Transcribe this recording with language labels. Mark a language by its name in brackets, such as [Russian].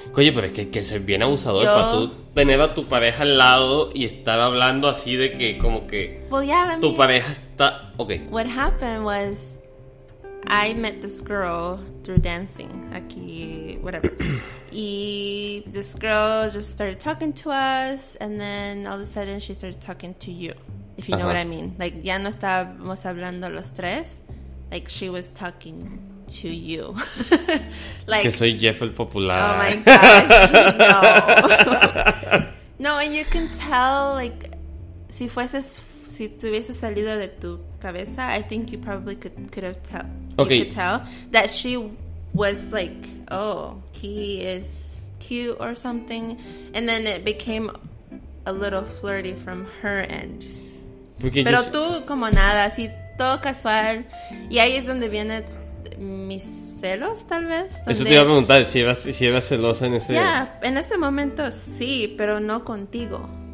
[Spanish] Oye, pero es que ser bien abusador para tú tener a tu pareja al lado y estar hablando así de que como que... [English] Well, yeah, [Spanish] tu pareja está... Okay. [English] What happened was I met this girl through dancing aquí, whatever. Y this girl just started talking to us and then all of a sudden she started talking to you. If you know what I mean. Like, [Spanish] ya no estábamos hablando los tres. [English] Like, she was talking to you. [Spanish] Like, que soy Jeff el popular. [English] Oh my gosh, no. No, and you can tell, like, [Spanish] si fueses, si te hubieses salido de tu cabeza, [English] I think you probably could have tell. Okay. You could tell that she was like, oh, he is cute or something. And then it became a little flirty from her end. [Spanish] Porque pero tú como nada, así todo casual. Y ahí es donde vienen mis celos, tal vez. Donde... Eso te iba a preguntar, si ibas celosa en ese... Ya, yeah, en ese momento sí, pero no contigo.